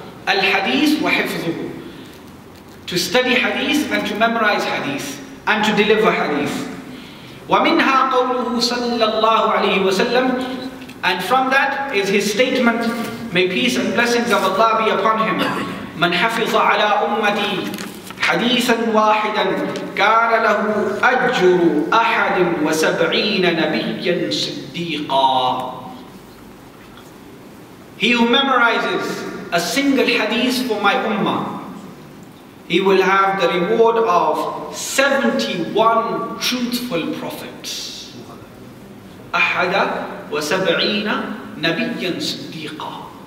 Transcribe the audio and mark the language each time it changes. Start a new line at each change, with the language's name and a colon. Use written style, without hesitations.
Arabic: الحديث وحفظه.
English: To study hadith and to memorize hadith and to deliver hadith.
Arabic: ومنها قوله صلى الله عليه وسلم,
English: and from that is his statement, may peace and blessings of Allah be upon him.
Arabic: من حفظ على أمتي حديثا واحدا كان له أجر أحد وسبعين نبيا صديقا.
English: He who memorizes a single hadith for my ummah, he will have the reward of 71 truthful prophets.
Arabic: أحد وسبعين نبيا صديقا.